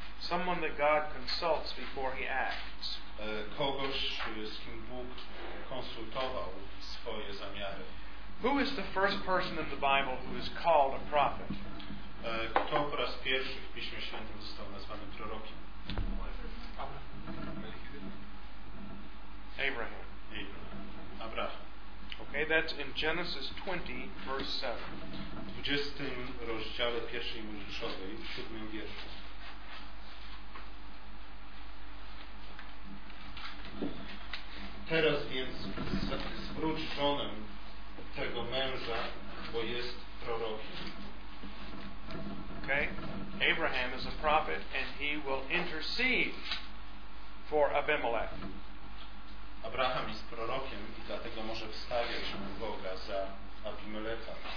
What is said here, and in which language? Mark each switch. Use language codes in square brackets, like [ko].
[en] Someone that God consults before he acts. [pl] Kogoś, z kim Bóg konsultował swoje zamiary. [en] Who is the first person in the Bible who is called a prophet? [pl] Kto po raz pierwszy w Piśmie Świętym został nazwany prorokiem? [en] Abraham. [pl] Abraham. [en] Okay, that's in Genesis 20, verse 7. [pl] W 20 rozdziale pierwszej Mojżeszowej, w 7 wierszu. Teraz więc zwróć żonę tego męża, bo jest prorokiem. [en] Okay, Abraham is a prophet and he will intercede for Abimelech. [pl] Abraham jest prorokiem i dlatego może wstawiać u Boga za Abimelecha.